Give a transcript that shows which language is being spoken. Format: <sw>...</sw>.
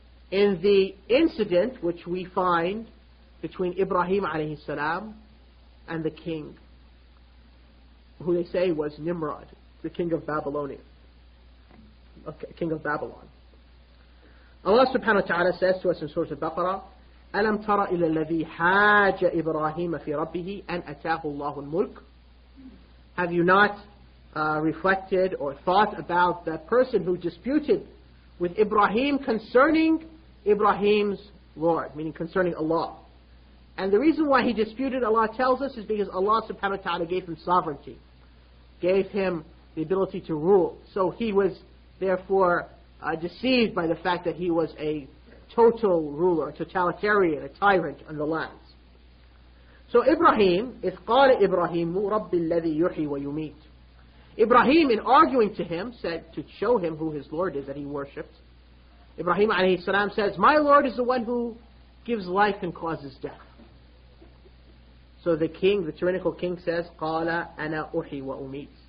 <en>In the incident which we find between Ibrahim alayhi salam and the king, who they say was Nimrod, the king of Babylonia, okay, king of Babylon. Allah subhanahu wa ta'ala says to us in Surah Al-Baqarah,</en> <ar>أَلَمْ تَرَ إِلَى الَّذِي حَاجَ إِبْرَاهِيمَ فِي رَبِّهِ أَنْ أَتَاهُ اللَّهُ الْمُلْكِ.</ar> <en>Have you not reflected or thought about that person who disputed with Ibrahim concerning Ibrahim's Lord, meaning concerning Allah? And the reason why he disputed, Allah tells us, is because Allah subhanahu wa ta'ala gave him sovereignty, gave him the ability to rule. So he was therefore deceived by the fact that he was a total ruler, a totalitarian, a tyrant on the lands. So Ibrahim,</en> <ar>إِذْ قَالَ إِبْرَاهِيمُ رَبِّ الَّذِي يُحْيِي وَيُمِيتُ.</ar> <en>Ibrahim, in arguing to him, said, to show him who his Lord is that he worshipped, Ibrahim alayhi salam says, my Lord is the one who gives life and causes death. So the king, the tyrannical king, says,</en> <ar>قَالَ أَنَا أُحْيِي وَأُمِيتُ.</ar>